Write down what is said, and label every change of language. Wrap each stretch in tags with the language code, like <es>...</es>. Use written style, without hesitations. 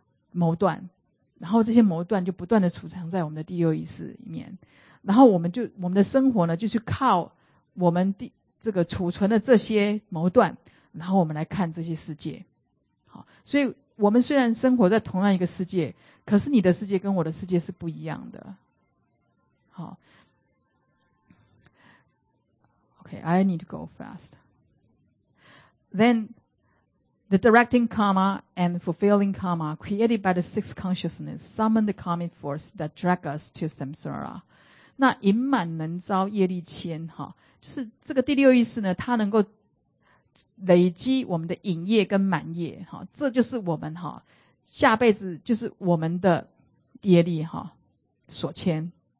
<zh>谋断，然后这些谋断就不断的储藏在我们的第六意识里面，然后我们的生活呢，就去靠我们储存的这些谋断，然后我们来看这些世界。好，所以我们虽然生活在同样一个世界，可是你的世界跟我的世界是不一样的。好， OK，I need to go fast. Then</zh> <en>The directing karma and fulfilling karma created by the six consciousness summon the karmic force that drag us to samsara.</en> <zh>那隐满能遭业力牵，就是这个第六意识呢，它能够累积我们的隐业跟满业，这就是我们下辈子就是我们的业力所牵。</zh>